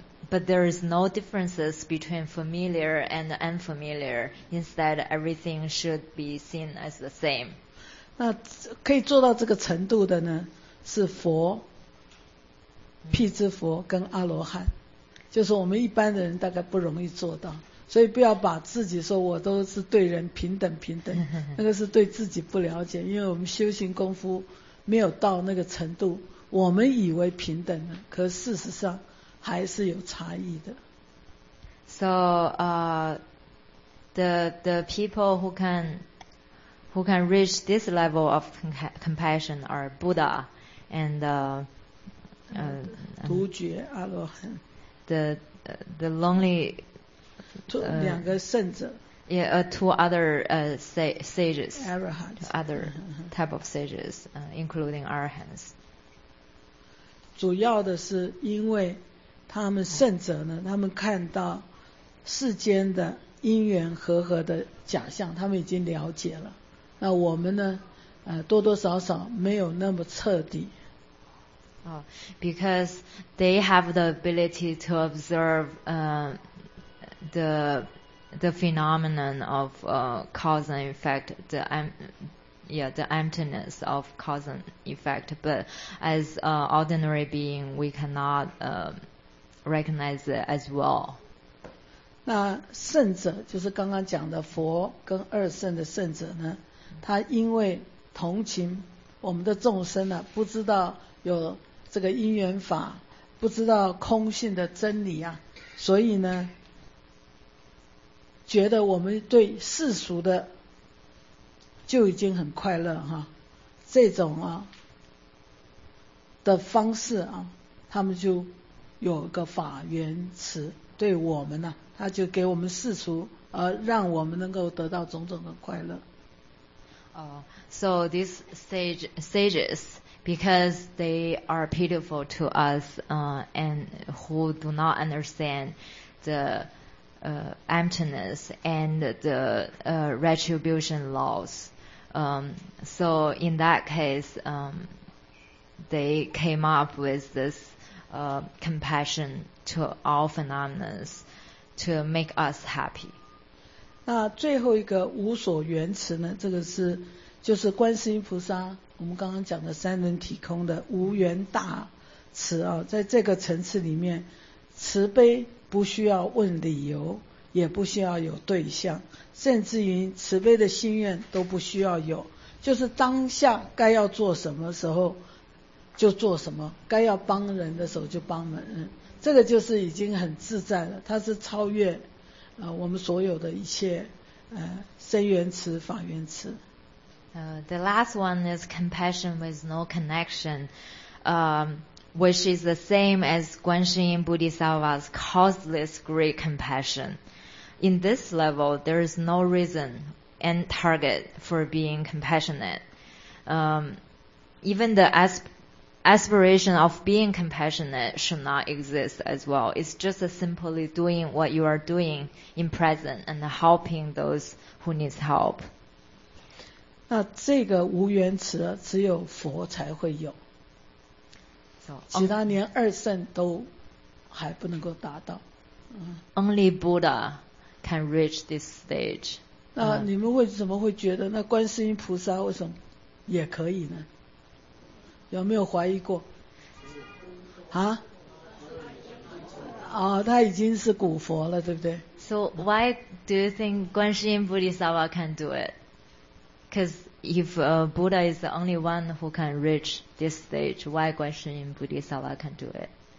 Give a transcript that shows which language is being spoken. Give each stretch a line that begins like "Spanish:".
English: But there is no differences between familiar and unfamiliar. Instead, everything should be seen as the same.
Chinese: 那可以做到这个程度的呢，是佛、辟支佛跟阿罗汉，就是我们一般的人大概不容易做到。所以不要把自己说我都是对人平等平等，那个是对自己不了解，因为我们修行功夫没有到那个程度，我们以为平等了，可事实上还是有差异的。
English: So, the people who can reach this level of compassion are Buddha and the lonely
Chinese: 两个圣者
English: two other sages Arahants, other type of sages including Arahants.
Chinese: 主要的是因为他们圣者呢，他们看到世间的因缘和合的假象，他们已经了解了。那我们呢，多多少少没有那么彻底。
English: Oh, because they have the ability to observe the phenomenon of cause and effect, the emptiness of cause and effect. But as ordinary being, we cannot recognize it as well.
Chinese: 那圣者就是刚刚讲的佛跟二圣的圣者呢，他因为同情我们的众生呢、啊，不知道有这个因缘法，不知道空性的真理啊，所以呢，觉得我们对世俗的就已经很快乐哈、啊，这种啊的方式啊，他们就有个法缘慈对我们呢、啊，他就给我们世俗，而让我们能够得到种种的快乐。
English: So these sages. Because they are pitiful to us and who do not understand the emptiness and the retribution laws. So in that case, they came up with this compassion to all phenomena to make us happy.
Chinese: 那最后一个无所缘慈呢，这个是就是观世音菩萨我们刚刚讲的三轮体空的无缘大慈啊，在这个层次里面，慈悲不需要问理由，也不需要有对象，甚至于慈悲的心愿都不需要有，就是当下该要做什么时候就做什么，该要帮人的时候就帮人，这个就是已经很自在了，它是超越我们所有的一切身缘慈法缘慈。
English: The last one is compassion with no connection, which is the same as Guanxing Bodhisattva's causeless great compassion. In this level, there is no reason and target for being compassionate. Even the aspiration of being compassionate should not exist as well. It's just simply doing what you are doing in present and helping those who need help.
Chinese: 那这个无缘慈只有佛才会有，其他连二圣都还不能够达到。
English: Only Buddha can reach this stage.
Chinese: 那你们为什么会觉得那观世音菩萨为什么也可以呢？有没有怀疑过？啊？哦，他已经是古佛了，对不对
English: ？So why do you think 观世音菩萨 can do it? Because if Buddha is the only one who can reach this stage, why Guan Shen Yin Bodhisattva can do it?